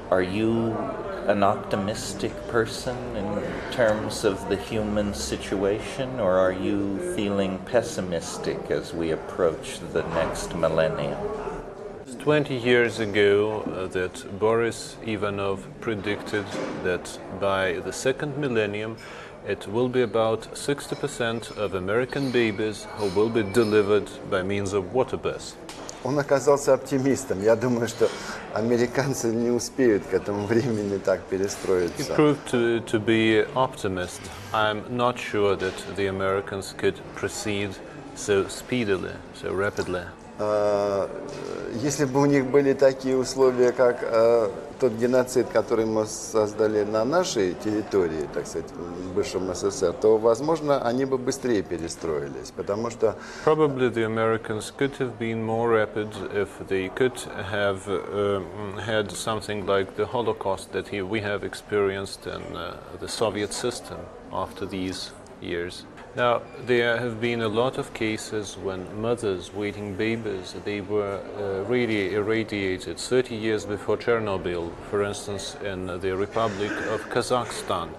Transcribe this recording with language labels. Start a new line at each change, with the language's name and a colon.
English: Are you an optimistic person in terms of the human situation, or are you feeling pessimistic as we approach the next millennium? 20 years ago, that Boris Ivanov predicted that by the second millennium, it will be about 60% of American babies who will be delivered by means of water births.
Russian: Он оказался оптимистом. Я думаю, что американцы не успеют к этому времени так перестроиться.
English: He proved to be optimist. I'm not sure that the Americans could proceed so speedily, so rapidly.
Russian: Если бы у них были такие условия, как тот геноцид, который мы создали на нашей территории, так сказать, в бывшем СССР, то, возможно, они бы быстрее перестроились, потому что...
English: Probably the Americans could have been more rapid if they could have had something like the Holocaust that we have experienced in the Soviet system after these years. Now, there have been a lot of cases when mothers waiting babies, they were really irradiated 30 years before Chernobyl, for instance, in the Republic of Kazakhstan.